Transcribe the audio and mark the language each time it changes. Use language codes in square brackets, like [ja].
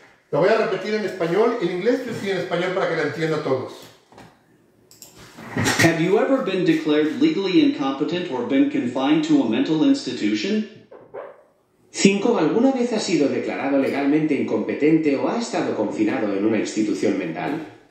[es] Lo voy a repetir en español, en inglés, pero sí en español para que la entienda todos. [en] Have you ever been declared legally incompetent or been confined to a mental institution? 5. [es] ¿Alguna vez ha sido declarado legalmente incompetente o ha estado confinado en una institución mental?